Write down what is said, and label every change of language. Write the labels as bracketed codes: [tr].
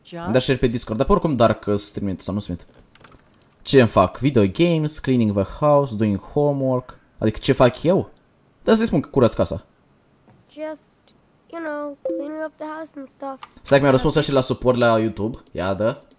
[ro] Da, share pe Discord, dar pe oricum doar că se trimit sau nu se trimit. Ce îmi fac? [en] Video games, cleaning the house, doing homework. [ro] Adică ce fac eu? Dar să-i spun că curăț casa. [en] You know, cleaning up the house and stuff. [ro] Stai că mi-a răspuns așa și la suport la YouTube. Ia, da.